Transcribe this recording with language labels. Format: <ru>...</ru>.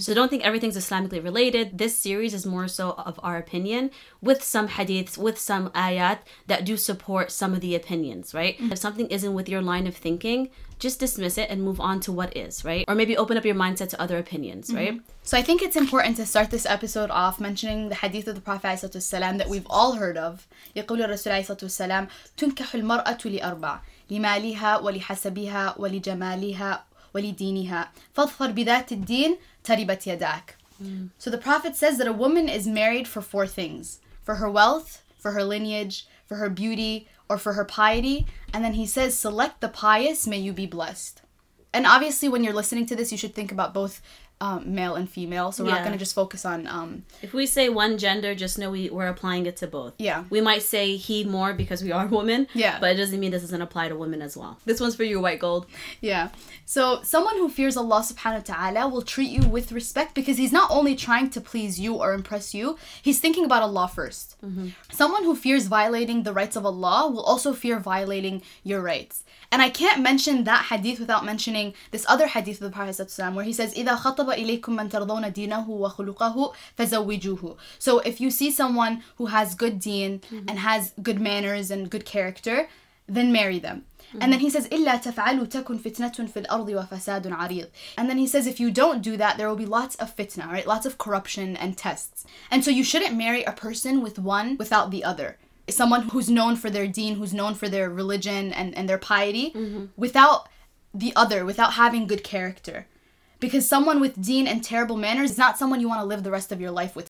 <en>So don't think everything's Islamically related. This series is more so of our opinion with some hadiths, with some ayat that do support some of the opinions, right? Mm-hmm. If something isn't with your line of thinking, just dismiss it and move on to what is, right? Or maybe open up your mindset to other opinions, mm-hmm. right? So I think it's important to start this episode off mentioning the hadith of the Prophet ﷺ that we've all heard of.</en> <ar>يقول الرسول عليه الصلاة والسلام تنكح المرأة لأربع لمالها ولحسبها ولجمالها ولدينها فاظفر بذات الدين تربت يداك.</ar> <en>So the Prophet says that a woman is married for four things: for her wealth, for her lineage, for her beauty, or for her piety. And then he says, select the pious, may you be blessed. And obviously when you're listening to this, you should think about both male and female. So we're not going to just focus on... If we say one gender, just know we're applying it to both. Yeah. We might say he more because we are women. Yeah. But it doesn't mean this doesn't apply to women as well. This one's for you, white gold. Yeah. So someone who fears Allah subhanahu wa ta'ala will treat you with respect because he's not only trying to please you or impress you, he's thinking about Allah first. Mm-hmm. Someone who fears violating the rights of Allah will also fear violating your rights. And I can't mention that hadith without mentioning this other hadith of the Prophet ﷺ where he says,</en> <ar>إِذَا خَطَبَ إِلَيْكُم مَّن تَرْضَوْنَ دِينَهُ وَخُلُقَهُ فَزَوِّجُوهُ.</ar> <en>So if you see someone who has good deen mm-hmm. and has good manners and good character, then marry them. Mm-hmm. And then he says,</en> <ar>إِلَّا تَفْعَلُوا تَكُن فِتْنَةٌ فِي الْأَرْضِ وَفَسَادٌ عَرِيضٌ.</ar> <en>And then he says, if you don't do that, there will be lots of fitna, right? Lots of corruption and tests. And so you shouldn't marry a person with one without the other. Someone who's known for their deen, who's known for their religion and their piety, mm-hmm. without the other, without having good character. Because someone with deen and terrible manners is not someone you want to live the rest of your life with.</en>